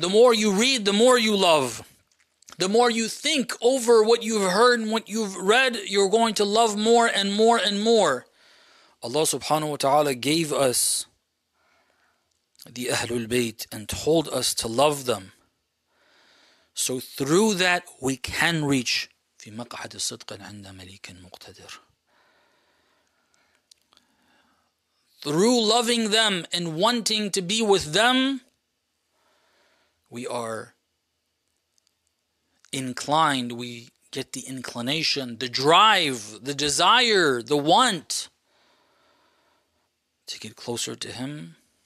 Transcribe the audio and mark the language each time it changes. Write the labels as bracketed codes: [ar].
[en] The more you read, the more you love. The more you think over what you've heard and what you've read, you're going to love more and more and more. Allah subhanahu wa ta'ala gave us the Ahlul Bayt and told us to love them. So through that, we can reach [ar] في مقعد صدق عند ملك مقتدر. [en] Through loving them and wanting to be with them, we are inclined, we get the inclination, the drive, the desire, the want to get closer to him.